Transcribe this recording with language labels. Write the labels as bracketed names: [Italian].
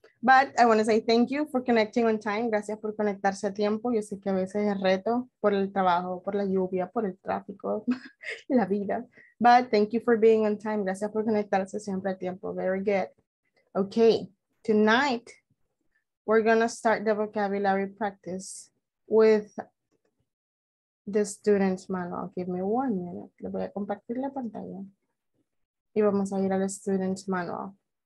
[English] But I want to say thank you for connecting on time. [Spanish] Gracias por conectarse a tiempo. Yo sé que a veces es reto por el trabajo, por la lluvia, por el tráfico, la vida. [English] But thank you for being on time. [Spanish] Gracias por conectarse siempre a tiempo. [English] Very good. Okay, tonight we're going to start the vocabulary practice with the student's manual. Give me 1 minute. [Spanish] Le voy a compartir la pantalla. Y vamos a ir al student's manual.